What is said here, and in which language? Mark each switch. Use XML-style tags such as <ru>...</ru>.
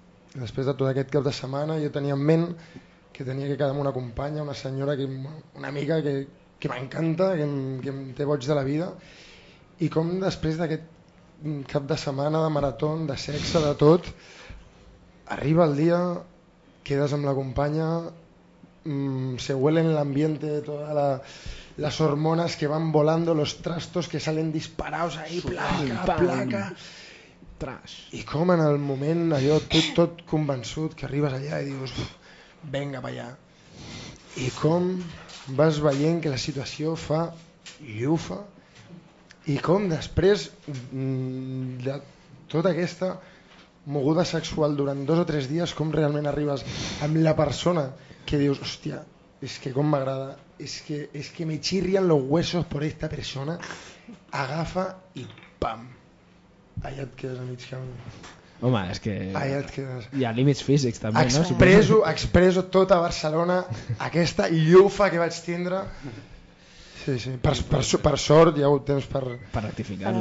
<ca>Després de tot aquest cap de setmana jo tenia en ment que tenia que quedar amb una companya, una senyora, que, una amiga que m'encanta, que em té boig de la vida, i com després d'aquest cap de setmana de marató, de sexe, de tot, arriba el dia, quedes amb la companya,</ca> <es>se huele en</es> <ca>l'ambiente de tota la...</ca> <es>las hormonas que van volando, los trastos que salen disparados ahí, placa, placa.</es> <en>Trash.</en> <ca>I com en el moment allò tot convençut que arribes allà i dius, venga pa allà. I com vas veient que la situació fa llufa i com després de tota aquesta moguda sexual durant dos o tres dies, com realment arribes amb la persona que dius, hòstia, és que com m'agrada.</ca> <es>Es que me chirrian los huesos por esta persona.</es> <ca>Agafa y pam. Allà et quedes a mig camp. Home, és que... Allà et quedes. Hi ha límits físics també,</ca> <es>expreso,</es> <ca>no? Expreso tota Barcelona aquesta llufa que vaig tindre. Sí, sí. Per sort hi ha hagut temps per rectificar, per,</ca>